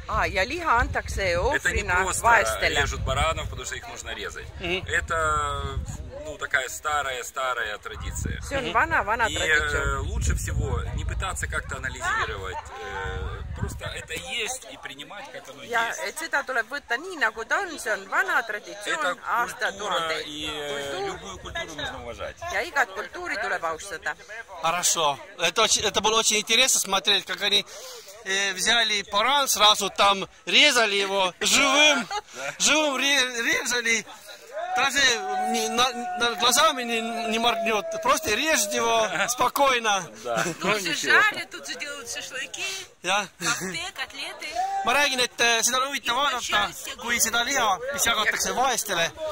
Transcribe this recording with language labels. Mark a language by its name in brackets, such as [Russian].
[Russian] А, я лиха антаксе офрина вайстеля. Это не режут баранов, потому что их нужно резать. Mm-hmm. Это ну, такая старая-старая традиция. Все, mm-hmm. [Estonian] вана традиция. [Russian] И лучше всего не пытаться как-то анализировать. Просто это есть и принимать, как оно [Estonian] ja, [Russian] есть. [Estonian] Это tuleb võtta nii nagu ta on, see on vana traditsioon, aasta tuhande. [Russian] И любую культуру нужно уважать. [Estonian] Ja igat kultuuri tuleb austada. [Russian] Хорошо. Это было очень интересно смотреть, как они взяли баран сразу там, резали его живым, живым резали. Даже на глазами не моргнет, просто режет его спокойно. Тут же жарят, тут же делают шашлыки, котлеты. [Estonian] Ma räägin, et seda huvitav vaadata, kui seda liha, mis jagatakse vaestele.